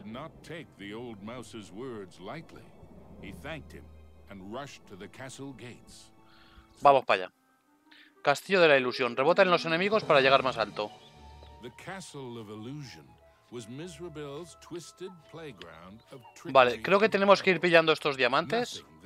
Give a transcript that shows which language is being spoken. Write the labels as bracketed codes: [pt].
[en] Mickey did not take the old mouse's words lightly. He thanked him and rushed to the castle gates. [es] Vamos para allá. Castillo de la Ilusión. Rebota en los enemigos para llegar más alto. [en] The castle of illusion was Miserable's twisted playground of trickery. [es] Vale, creo que tenemos que ir pillando estos diamantes.